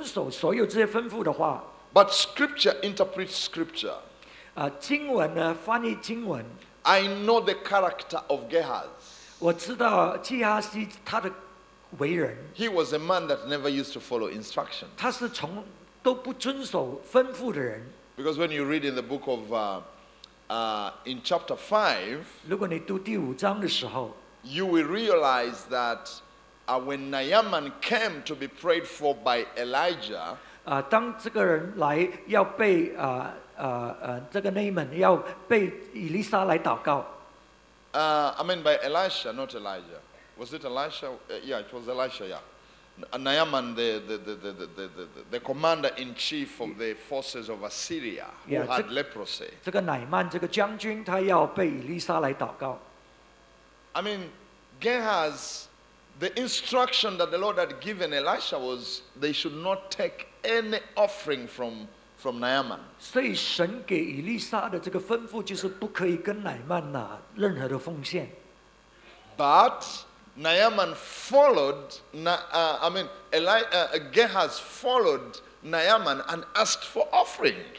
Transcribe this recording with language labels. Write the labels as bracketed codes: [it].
[zh] 如果这个基哈西有遵守所有这些吩咐的话, [en] but scripture interprets scripture. [zh] 经文呢，翻译经文, [en] I know the character of Gehaz. [zh] 我知道基哈西他的为人, [en] he was a man that never used to follow instructions. [zh] 他是从都不遵守吩咐的人。 [en] Because when you read in the book of in chapter 5, [zh] 如果你读第五章的时候, [en] you will realize that when Naaman came to be prayed for by Elijah, [zh] 当这个人来要被 这个内门要被以利沙来祷告。 [en] I mean by Elisha, not Elijah. Was it Elisha? Yeah, it was Elisha, yeah. Naaman, the commander-in-chief of the forces of Assyria, who yeah, had leprosy. [zh] 这个乃曼这个将军他要被以利沙来祷告。 [en] I mean, Gehaz, the instruction that the Lord had given Elisha was they should not take any offering from Naaman. [zh] 所以神给以利沙的这个吩咐就是不可以跟乃曼拿任何的奉献。 [en] But Naaman followed, Gehaz followed Naaman and asked for offering.